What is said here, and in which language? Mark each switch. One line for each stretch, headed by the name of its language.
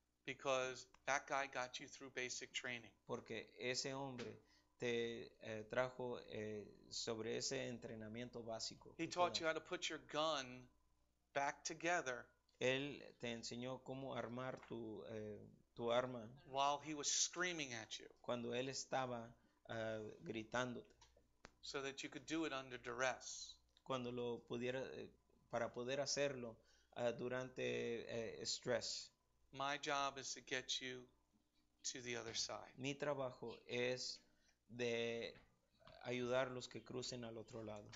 English: Because that guy got you through basic training.
Spanish: Porque ese hombre te trajo sobre ese entrenamiento básico.
English: He taught you how to put your gun back together.
Spanish: Él te enseñó cómo armar tu, tu arma.
English: While he was screaming at you.
Spanish: Cuando él estaba gritándote.
English: So that you could do it under duress.
Spanish: Cuando lo pudiera, para poder hacerlo durante stress.
English: My job is to get you to the other side.
Spanish: Mi trabajo es de ayudarlos que crucen al otro lado.